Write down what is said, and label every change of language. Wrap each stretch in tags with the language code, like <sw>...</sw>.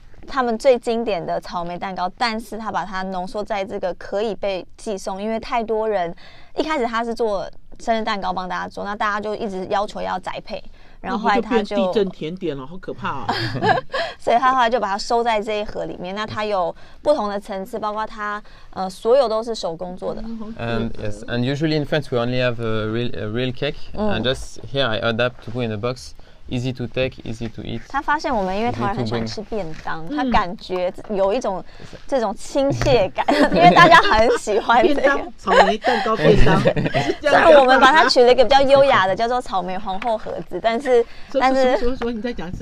<zh>他们最经典的草莓蛋糕，但是他把它浓缩在这个可以被寄送，因为太多人一开始他是做生日蛋糕帮大家做，那大家就一直要求要宅配，然后后来他就地震甜点了，好可怕啊！所以他后来就把它收在这一盒里面。那它有不同的层次，包括它所有都是手工做的。</zh> <en>Yes, and usually in France we only have a real cake, and just here I adapt to put in a box. Easy to take, easy to eat.</en> <zh>他发现我们因为台湾很喜欢吃便当，他感觉有一种这种亲切感，因为大家很喜欢这个便当草莓蛋糕便当。虽然我们把它取了一个比较优雅的，叫做草莓皇后盒子，但是说你再讲一次，</zh>